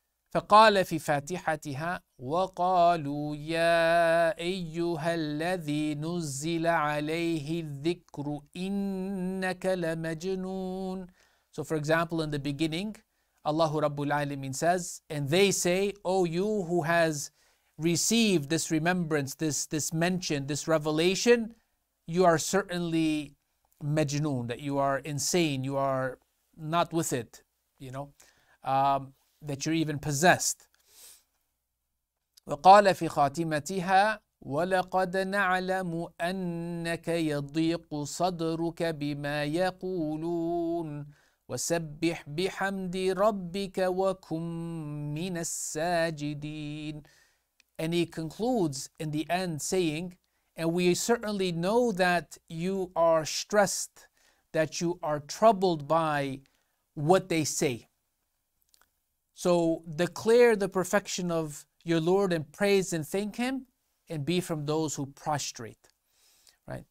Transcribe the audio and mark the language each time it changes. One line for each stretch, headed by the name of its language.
Arabic: فقال في فاتحتها وقالوا يا أيها الذي نزل عليه الذكر إنك لمجنون
English: So for example in the beginning Allah Rabbul Alameen says and they say O you who has received this remembrance this mention this revelation you are certainly majnoon that you are insane you are not with it you know that you're even possessed.
Arabic: وقال في خاتمتها ولقد نعلم أنك يضيق صدرك بما يقولون وسبح بحمد ربك وكن من الساجدين.
English: And he concludes in the end saying, and we certainly know that you are stressed, that you are troubled by what they say. So declare the perfection of your Lord and praise and thank him, and be from those who prostrate, right?